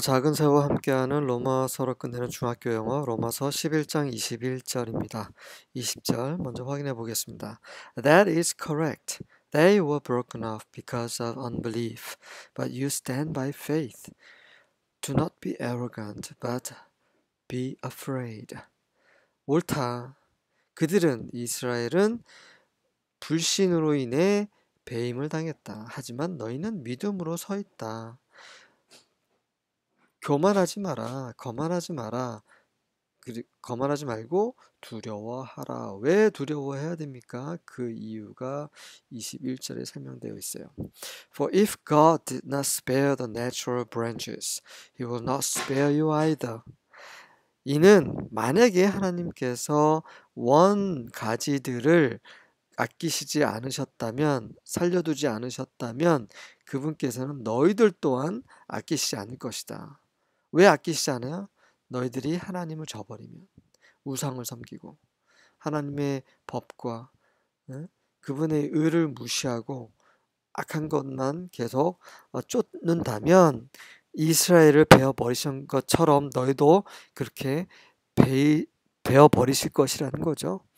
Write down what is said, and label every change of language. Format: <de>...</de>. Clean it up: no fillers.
<ko>작은 새와 함께하는 로마서로 끝내는 중학교 영어 로마서 11장 21절입니다. 20절 먼저 확인해 보겠습니다.</ko> <en>That is correct. They were broken off because of unbelief, but you stand by faith. Do not be arrogant, but be afraid.</en> <ko>옳다. 그들은 이스라엘은 불신으로 인해 배임을 당했다. 하지만 너희는 믿음으로 서 있다. 교만하지 마라, 거만하지 마라, 거만하지 말고 두려워하라. 왜 두려워해야 됩니까? 그 이유가 21절에 설명되어 있어요.</ko> <en>For if God did not spare the natural branches, he will not spare you either.</en> <ko>이는 만약에 하나님께서 원 가지들을 아끼시지 않으셨다면, 살려두지 않으셨다면, 그분께서는 너희들 또한 아끼시지 않을 것이다. 왜 아끼시지 않아요? 너희들이 하나님을 저버리면, 우상을 섬기고, 하나님의 법과 그분의 의를 무시하고, 악한 것만 계속 쫓는다면, 이스라엘을 베어버리신 것처럼 너희도 그렇게 베어버리실 것이라는 거죠.</ko>